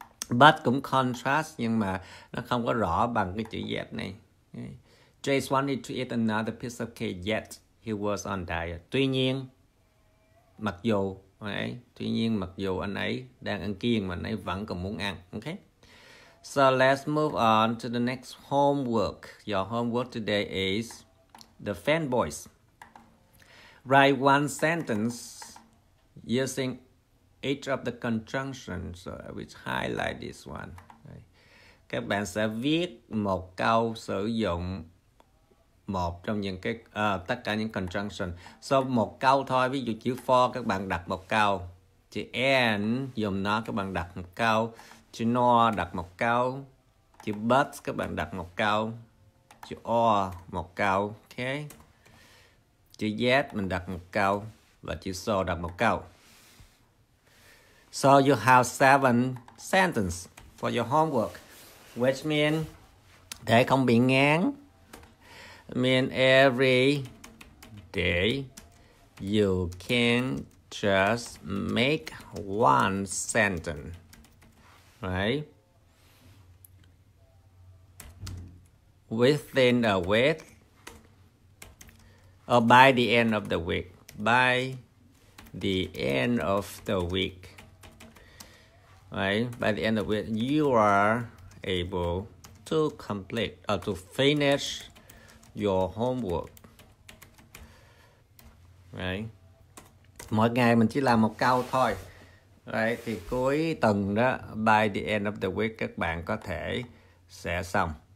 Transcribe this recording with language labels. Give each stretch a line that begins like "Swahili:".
Vietnamese: But cũng contrast nhưng mà nó không có rõ bằng cái chữ yet này.
English: Jace wanted to eat another piece of cake, yet he was on diet.
Vietnamese: Tuy nhiên mặc dù anh ấy đang ăn kiêng mà anh ấy vẫn còn muốn ăn.
English: Okay. So let's move on to the next homework. Your homework today is the fanboys. Write one sentence using each of the conjunctions. So I will highlight this one.
Vietnamese: Các bạn sẽ viết một câu sử dụng một trong những cái tất cả những conjunctions. So một câu thôi, ví dụ chữ for các bạn đặt một câu, chữ and dùng nó các bạn đặt một câu, chữ nor đặt một câu, chữ but các bạn đặt một câu, chữ or một câu, ok, chữ yet mình đặt một câu và chữ so đặt một câu.
English: So you have 7 sentences for your homework, which means
Vietnamese: để không bị ngán,
English: mean every day you can just make one sentence. Right. Within a week or by the end of the week. By the end of the week. Right. By the end of the week, you are able to complete or to finish your homework. Right.
Vietnamese: Mỗi ngày mình chỉ làm một câu thôi. Đấy, thì cuối tuần đó,
English: by the end of the week,
Vietnamese: các bạn có thể sẽ xong.